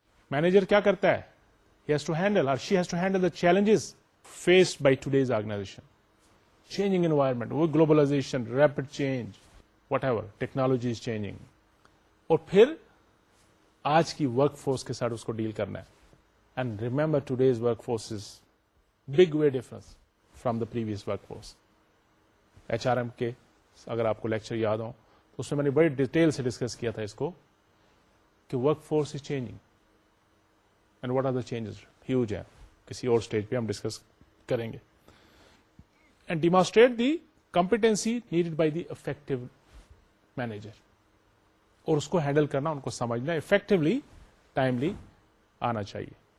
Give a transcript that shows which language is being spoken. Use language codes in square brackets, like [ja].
[ur] Manager کیا کرتا ہے, [en] he has to handle اور she has to handle the challenges faced by today's organisation, changing environment, وہ globalisation, rapid change, whatever technology is changing, [ur] اور پھر آج کی ورک فورس کے ساتھ اس کو ڈیل کرنا ہے. [en] And remember today's workforce is big way difference from the previous workforce. [ur] H R M کے اگر آپ کو لیکچر یاد ہو تو اس میں نے بڑی ڈیٹیل سے ڈسکس کیا تھا اس کو, کہ [en] workforce is changing and what are the changes, [ur] huge ہیں, کسی اور اسٹیج پہ ہم ڈسکس کریں گے. [en] and demonstrate the competency needed by the effective manager, [ur] اور اس کو ہینڈل کرنا, ان کو سمجھنا, افیکٹولی ٹائملی آنا چاہیے.